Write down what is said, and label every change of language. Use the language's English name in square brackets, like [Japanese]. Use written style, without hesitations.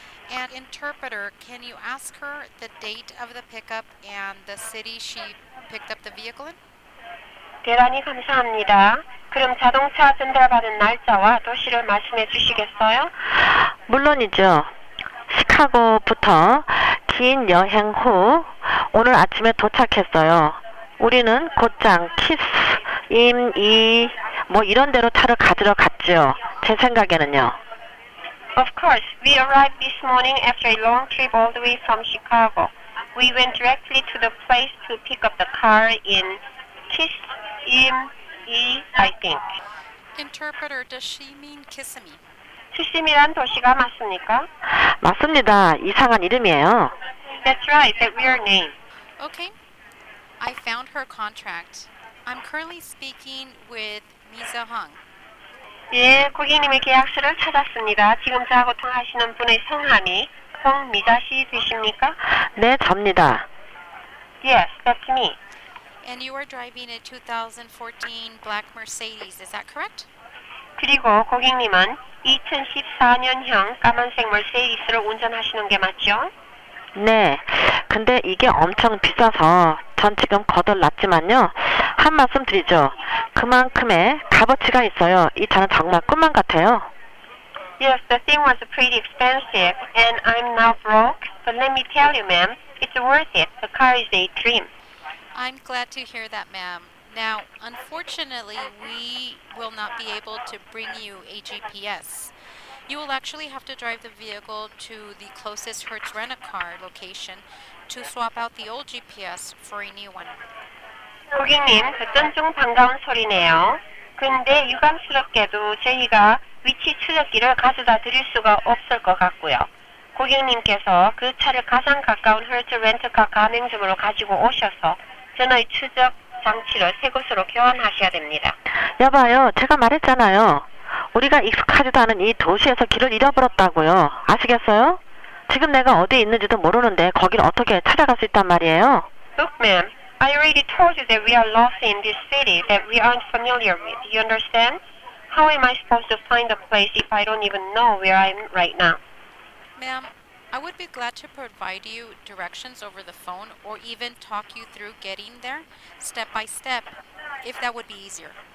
[English] And interpreter, can you ask her the date of the pickup and the city she picked up the vehicle in? [Korean] 대단히 감사합니다. 그럼 자동차 전달받은 날짜와 도시를 말씀해 주시겠어요? 물론이죠. 시카고부터 긴 여행 후 오늘 아침에 도착했어요. 우리는 곧장 키스, 임, 이, 뭐 이런 데로 차를 가지러 갔죠. 제 생각에는요. [English] Of course, we arrived this morning after a long trip all the way from Chicago. We went directly to the place to pick up the car in Kissimmee, I think. Interpreter, does she mean Kissimmee? [Korean] Kissimmee란 도시가 맞습니까? 맞습니다. 이상한 이름이에요. [English] That's right. That weird name. Okay. I found her contract. I'm currently speaking with Misa Hong. [Korean] 예, 고객님의 계약서를 찾았습니다. 지금 저하고 통하시는 분의 성함이 홍미자 씨 되십니까? 네, 접니다. [English] Yes, that's me. And you are driving a 2014 black Mercedes, is that correct? [Korean] 그리고 고객님은 2014년형 까만색 Mercedes를 운전하시는 게 맞죠? 네, 근데 이게 엄청 비싸서 전 지금 거덜났지만요. 한 말씀 드리죠. 그만큼의 값어치가 있어요. 이 차는 정말 꿈만 같아요. [English] Yes, the thing was pretty expensive and I'm now broke. But let me tell you, ma'am, it's worth it. The car is a dream. I'm glad to hear that, ma'am. Now, unfortunately, we will not be able to bring you a GPS. You will actually have to drive the vehicle to the closest Hertz rent-a-car location to swap out the old GPS for a new one. [Korean] 고객님, 듣던 중 반가운 소리네요. 근데 유감스럽게도 저희가 위치 추적기를 가져다 드릴 수가 없을 것 같고요. 고객님께서 그 차를 가장 가까운 헐츠 렌트카 가맹점으로 가지고 오셔서 전화의 추적 장치를 새 것으로 교환하셔야 됩니다. 여봐요, 제가 말했잖아요. 우리가 익숙하지도 않은 이 도시에서 길을 잃어버렸다고요. 아시겠어요? 지금 내가 어디에 있는지도 모르는데 거길 어떻게 찾아갈 수 있단 말이에요? [English] Look, ma'am. I already told you that we are lost in this city that we aren't familiar with. You understand? How am I supposed to find a place if I don't even know where I'm right now? Ma'am, I would be glad to provide you directions over the phone or even talk you through getting there step by step, if that would be easier.